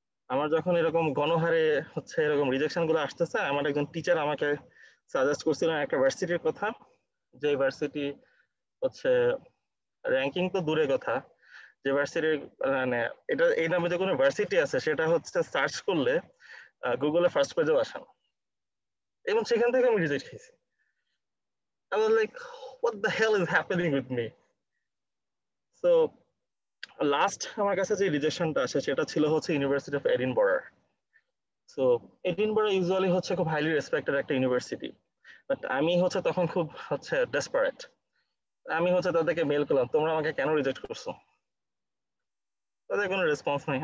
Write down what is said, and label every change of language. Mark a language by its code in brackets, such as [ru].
[bn] আমার যখন এরকম গণহারে হচ্ছে এরকম রিজেকশন গুলো আসতেছে, আমার একজন টিচার আমাকে সাজেস্ট করছিলেন একটা ইউনিভার্সিটির কথা, যে ইউনিভার্সিটি হচ্ছে র্যাঙ্কিং তো দূরে কথা, যে ইউনিভার্সিটির মানে এটা এই নামে যে কোনো ইউনিভার্সিটি আছে সেটা হচ্ছে সার্চ করলে গুগলে ফার্স্ট পেজেও আসে না, এবং সেখান থেকে আমি রিজেক্ট খেয়েছি। [en] I was like, what the hell is happening with me? So last [bn] আমার কাছে যে রিজেকশনটা আসে সেটা ছিল হচ্ছে university of Edinburgh. So Edinburgh usually হচ্ছে খুব হাইলি রেসপেক্টেড একটা ইউনিভার্সিটি, বাট আমি হচ্ছে তখন খুব হচ্ছে ডেসপারেট, আমি হচ্ছে তাদেরকে মেল করলাম, তোমরা আমাকে কেন রিজেক্ট করছো? তাদের কোনো রেসপন্স নেই।